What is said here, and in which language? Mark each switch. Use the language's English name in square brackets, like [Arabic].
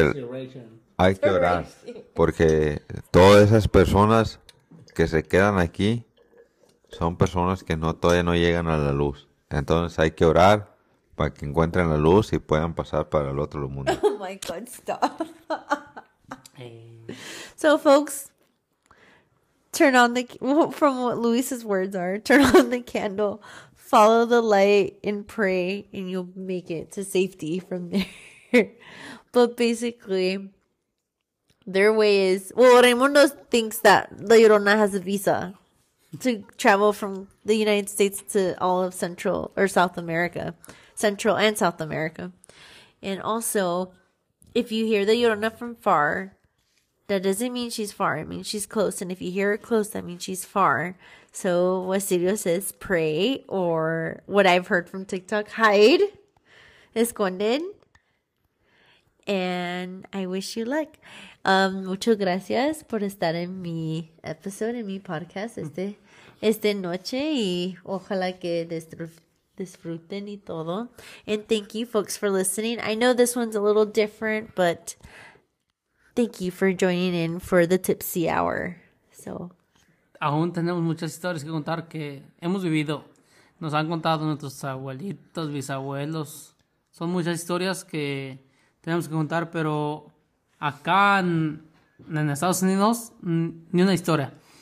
[English] Inspiration. [Spanish] hay que orar, [English] Inspiration. [Spanish] porque todas esas personas que se quedan aquí son personas que no todavía no llegan a la luz. Entonces hay que orar para que encuentren la luz y puedan pasar para el otro mundo. [English] Oh my God, stop. So, folks, turn on the, from what Luis's words are, turn on the candle, follow the light, and pray, and you'll make it to safety from there. But basically, their way is, well, Raimundo thinks that La Llorona has a visa to travel from the United States to all of Central or South America, Central and South America. And also, if you hear the Llorona from far, that doesn't mean she's far. It means she's close. And if you hear her close, that means she's far. So what Sirio says, pray, or what I've heard from TikTok, hide, esconden. And I wish you luck. [Spanish] Muchas gracias por estar en mi episode, en mi podcast este noche. Y ojalá que disfruten y todo. [English] And thank you folks for listening. I know this one's a little different, but thank you for joining in for the tipsy hour. So. [Spanish] Aún tenemos muchas historias que contar que hemos vivido. Nos han contado nuestros abuelitos, bisabuelos. Son muchas historias que tenemos que contar, pero acá en Estados Unidos ni una historia.